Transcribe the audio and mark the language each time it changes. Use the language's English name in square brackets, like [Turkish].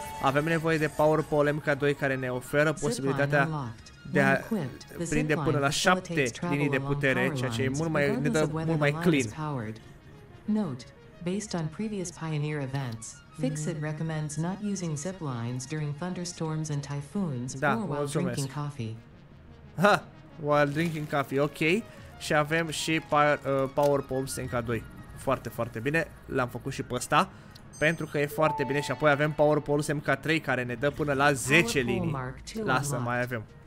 [Romanian] Avem nevoie de power pole MK2, care ne oferă posibilitatea de a prinde până la 7 linii de putere, ceea ce e mult mai, ne dă mult mai clean. [English] Note, based on previous Pioneer events, Fixit recommends not using zip lines during thunderstorms and typhoons or while drinking coffee. Ha, while drinking coffee, ok. [Romanian] Și avem și power pumps MK2. Foarte, foarte bine. L-am făcut și pe ăsta, pentru că e foarte bine. Și apoi avem Power Polus MK3, care ne dă până la 10 linii. Lasă, mai avem.